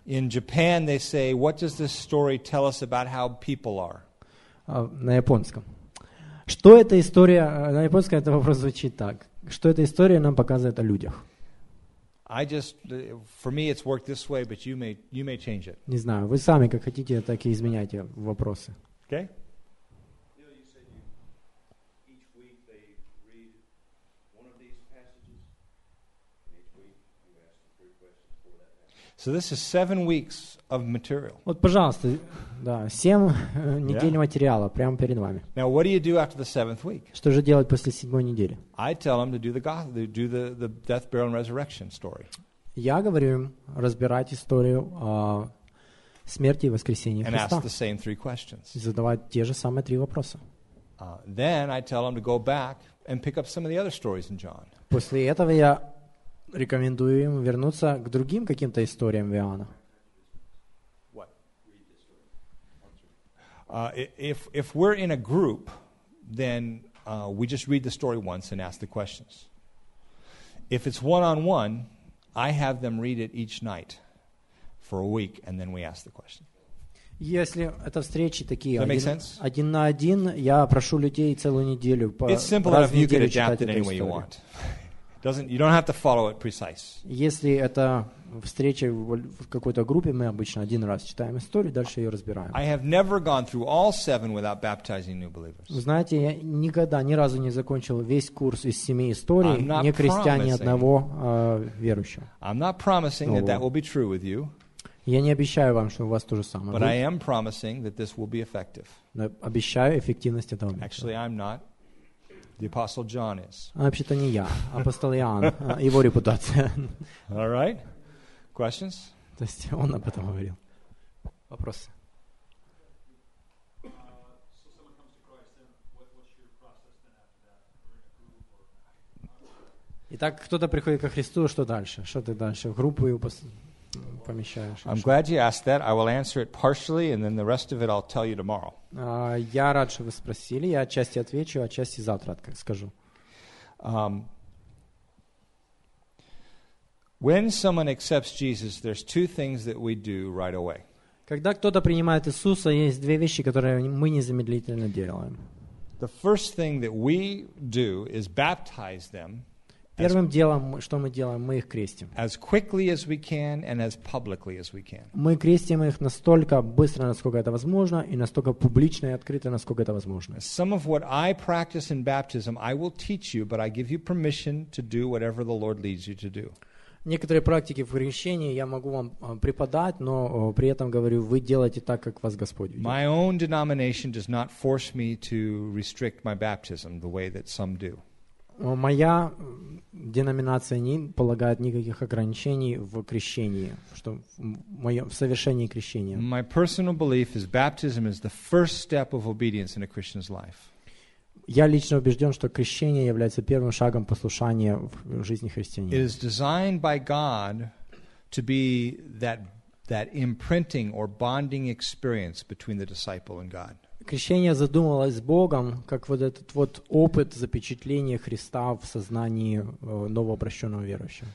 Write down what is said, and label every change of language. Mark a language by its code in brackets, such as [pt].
[en] In Japan, they say, what does this story tell us about how people are? [ru] На японском. Что эта история, на японском это вопрос звучит так. Что эта история нам показывает о людях? [en] I just, for me, it's worked this way, but you may change it. [ru] Не знаю, вы сами как хотите, так и изменяйте вопросы. [en] Okay. So this is 7 weeks of material. [ru] Вот, пожалуйста, да, 7 недель материала прямо перед вами. [en] Now, what do you do after the 7th week? [ru] Что же делать после 7-й недели? [en] I tell them to do the death, burial, and resurrection story. [ru] Я говорю им разбирать историю смерти и воскресения [en] and [ru] Христа. [en] And ask the same 3 questions. [ru] И задавать те же самые 3 вопроса. [en] Then I tell them to go back and pick up some of the other stories in John. [ru] После этого я рекомендую им вернуться к другим каким-то историям в Иоанна. [en] If we're in a group, then we just read the story once and ask the questions. If it's one-on-one, I have them read it each night for a week, and then we ask the question. [ru] Если это встречи такие, один на один, я прошу людей целую неделю по [en] It's simple enough, you can adapt it any way you want. You don't have to follow it precise. [ru] Если это встреча в какой-то группе, мы обычно один раз читаем историю, дальше ее разбираем. [en] I have never gone through all 7 without baptizing new believers. [ru] Знаете, я никогда ни разу не закончил весь курс из 7 историй, не крестя ни одного верующего. [en] I'm not promising that will be true with you. [ru] Я не обещаю вам, что у вас то же самое. [en] But I am promising that this will be effective. [ru] Но обещаю эффективность этого метода. [en] Actually, I'm not. The Apostle John is. [ru] Вообще-то не я, апостол Иоанн, его репутация. [en] All right. Questions? [ru] То есть он об этом говорил. Вопросы? Итак, кто-то приходит ко Христу, что дальше? Что ты дальше? В группу его помещаешь? [en] I'm glad you asked that. I will answer it partially, and then the rest of it I'll tell you tomorrow. [ru] Я рад, что вы спросили. Я отчасти отвечу, отчасти завтра скажу. [en] When someone accepts Jesus, there's 2 things that we do right away. [ru] Когда кто-то принимает Иисуса, есть 2 вещи, которые мы незамедлительно делаем. [en] The first thing that we do is baptize them. [ru] Первым делом, что мы делаем, мы их крестим. [en] As quickly as we can and as publicly as we can. [ru] Мы крестим их настолько быстро, насколько это возможно, и настолько публично и открыто, насколько это возможно. [en] Some of what I practice in baptism, I will teach you, but I give you permission to do whatever the Lord leads you to do. [ru] Некоторые практики в крещении я могу вам преподать, но при этом говорю, вы делайте так, как вас Господь ведет. [en] My own denomination does not force me to restrict my baptism the way that some do. [ru] Моя деноминация не полагает никаких ограничений в крещении, что в совершении крещения. [en] My personal belief is baptism is the first step of obedience in a Christian's life. [ru] Я лично убежден, что крещение является первым шагом послушания в жизни христианина. [en] It is designed by God to be that imprinting or bonding experience between the disciple and God. [ru] Крещение задумывалось Богом, как вот этот вот опыт запечатления Христа в сознании новообращенного верующего.